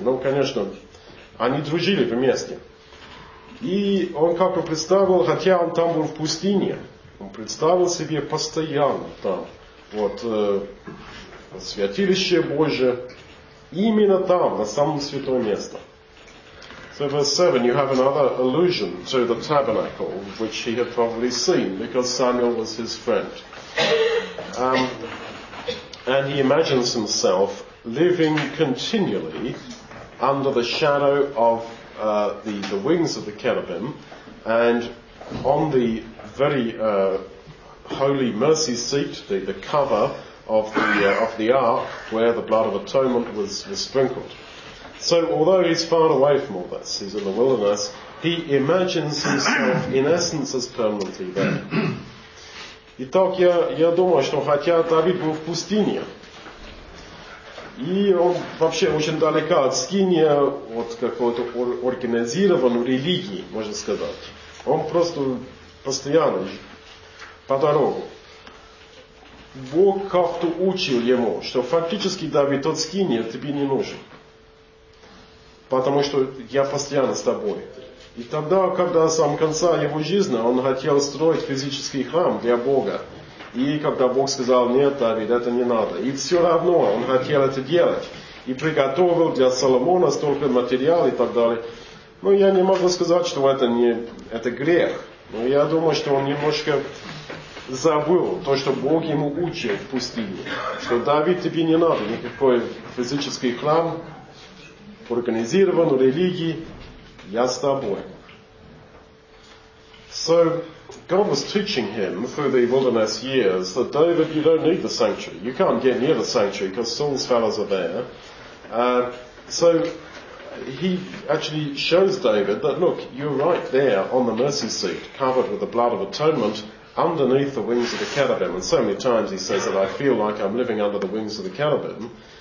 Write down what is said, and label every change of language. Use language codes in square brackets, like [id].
[ru] Но, конечно, они дружили вместе. И он как бы представил, хотя он там был в пустыне, он представил себе постоянно там, вот, святилище Божие, именно там, на самом святом месте. [en] So verse 7, you have another allusion to the tabernacle, which he had probably seen, because Samuel was his friend. And he imagines himself living continually under the shadow of the wings of the cherubim, and on the very holy mercy seat, the cover, of the ark where the blood of atonement was sprinkled. So although he's far away from all this, he's in the wilderness, he imagines himself in essence as permanently there. [ru] Итак, я думаю, что хотя Давид был в пустыне, и он вообще очень далеко от скиния, от какой-то организированной религии, можно сказать, он просто постоянно по дорогу. Бог как-то учил ему, что фактически Давид, тот скинь, тебе не нужен. Потому что я постоянно с тобой. И тогда, когда сам конца его жизни, он хотел строить физический храм для Бога. И когда Бог сказал, нет, Давид, это не надо. И все равно он хотел это делать. И приготовил для Соломона столько материалов и так далее. Но я не могу сказать, что это грех. Но я думаю, что он немножко забыл то, что Бог ему учил в пустыне, что Давид, тебе не надо никакой физический храм, организированной религии, я с тобой. [en] So, God was teaching him through the wilderness years that David, you don't need the sanctuary, you can't get near the sanctuary because Saul's fellows are there. So, he actually shows David that, look, you're right there on the mercy seat, covered with the blood of atonement, underneath the wings of the cherubim, and so many times he says that I feel like I'm living under the wings of the cherubim,